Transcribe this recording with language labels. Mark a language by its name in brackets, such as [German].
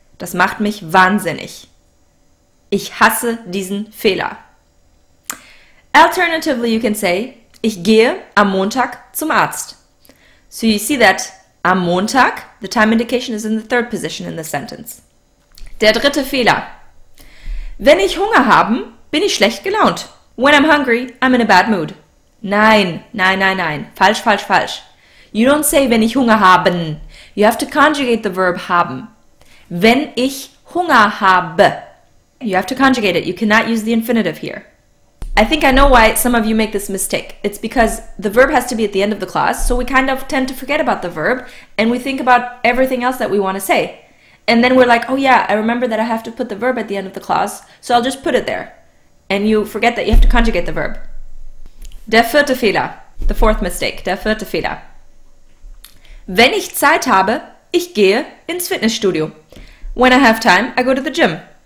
[German] Das macht mich wahnsinnig. Ich hasse diesen Fehler. [English] Alternatively, you can say, [German] ich gehe am Montag zum Arzt. [English] So you see that am Montag, the time indication is in the third position in the sentence. [German] Der dritte Fehler. Wenn ich Hunger habe, bin ich schlecht gelaunt. [English] When I'm hungry, I'm in a bad mood. [German] Nein, nein, nein, nein. Falsch, falsch, falsch. [English] You don't say, [German] wenn ich Hunger habe. [English] You have to conjugate the verb haben. [German] Wenn ich Hunger habe. [English] You have to conjugate it. You cannot use the infinitive here. I think I know why some of you make this mistake. It's because the verb has to be at the end of the clause, so we kind of tend to forget about the verb, and we think about everything else that we want to say. And then we're like, oh yeah, I remember that I have to put the verb at the end of the clause, so I'll just put it there. And you forget that you have to conjugate the verb. [German] Der vierte Fehler. [English] The fourth mistake. [German] Der vierte Fehler. Wenn ich Zeit habe, ich gehe ins Fitnessstudio. [English] When I have time, I go to the gym.